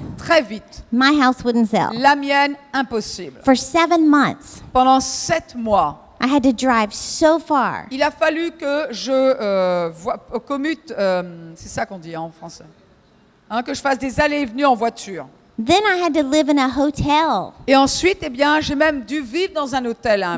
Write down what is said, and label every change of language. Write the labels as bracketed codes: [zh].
[fr] Très vite. [en] My house wouldn't sell. [fr] La mienne, impossible. [en] For 7 months. [fr] Pendant 7 mois. [en] I had to drive so far. [fr] Il a fallu que je commute, c'est ça qu'on dit en français, hein, que je fasse des allées et venues en voiture. [en] Then I had to live in a hotel. [fr] Et ensuite, eh bien, j'ai même dû vivre dans un hôtel à un